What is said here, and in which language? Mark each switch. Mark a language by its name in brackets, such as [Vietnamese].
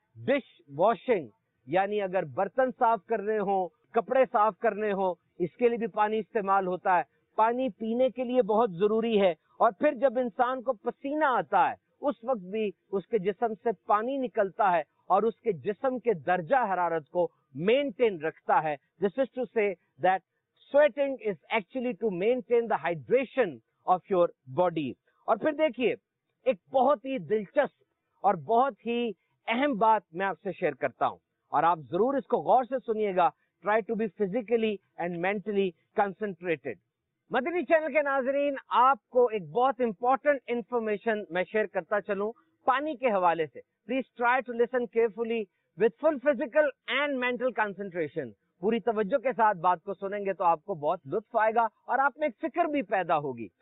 [Urdu] Dish washing یعنی اگر برتن صاف کرنے ہوں، کپڑے صاف کرنے ہوں، اس کے لیے بھی پانی استعمال ہوتا ہے. پانی پینے کے لیے بہت ضروری ہے. اور پھر جب انسان کو پسینہ آتا ہے، اس وقت بھی اس کے جسم سے پانی نکلتا ہے اور اس کے جسم کے درجہ حرارت کو مینٹین رکھتا ہے. [English] This is to say that sweating is actually to maintain the hydration of your body. [Urdu] اور پھر دیکھیے ایک بہت ہی دلچسپ اور بہت ہی اہم بات میں آپ سے شیئر کرتا ہوں اور آپ ضرور اس کو غور سے سنیے گا. [English] Try to be physically and mentally concentrated. [Urdu] Madani channel کے ناظرین آپ کو ایک بہت امپورٹنٹ انفارمیشن میں شیئر کرتا چلوں پانی کے حوالے سے. [English] Please try to listen carefully with full physical and mental concentration. [Urdu] پوری توجہ کے ساتھ بات کو سنیں گے تو آپ کو بہت لطف آئے گا اور آپ میں ایک فکر بھی پیدا ہوگی.